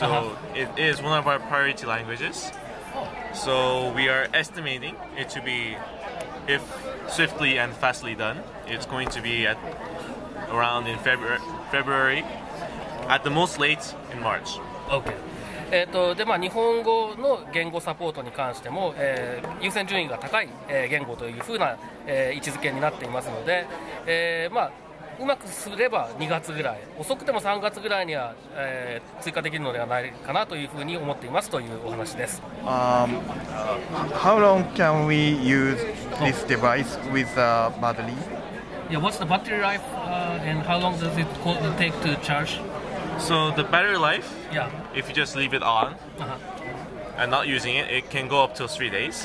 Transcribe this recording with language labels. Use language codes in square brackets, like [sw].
[en] So it is one of our priority languages. So we are estimating it to be, if swiftly and fastly done, it's going to be at around in February, at the most late in March. Okay. [ja] でまあ、日本語の言語サポートに関しても、優先順位が高い、言語というふうな、位置づけになっていますので、まあ、うまくすれば2月ぐらい、遅くても3月ぐらいには、追加できるのではないかなというふうに思っていますというお話です。 [en] How long can we use this device with the battery? Yeah, what's the battery life, and how long does it take to charge So the battery life, yeah. If you just leave it on and not using it, it can go up to 3 days.